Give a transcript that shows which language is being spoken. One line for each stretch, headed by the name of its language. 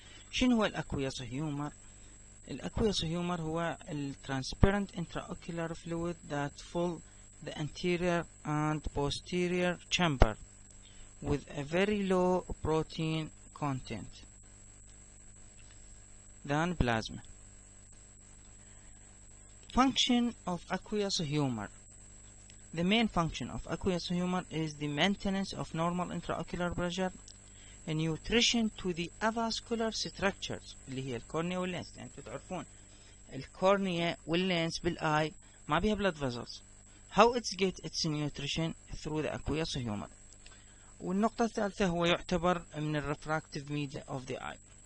Arabic: شنو هو
English: الاكويس هيومر؟ الاكويس هيومر هو الترانسبيرنت intraocular fluid that fill the anterior and posterior chamber with a very low protein content than plasma. Function of aqueous humour. The main function of aqueous humor is the maintenance of normal intraocular pressure and nutrition to the avascular structures
Arabic: اللي هي الكورنيا واللينس، لان انتم تعرفون الكورنيا واللينس بالاي ما بيها
English: blood vessels. How it gets its nutrition through the aqueous humor.
Arabic: والنقطة الثالثة هو يعتبر من الرفراكتيف ميديا
English: of the eye.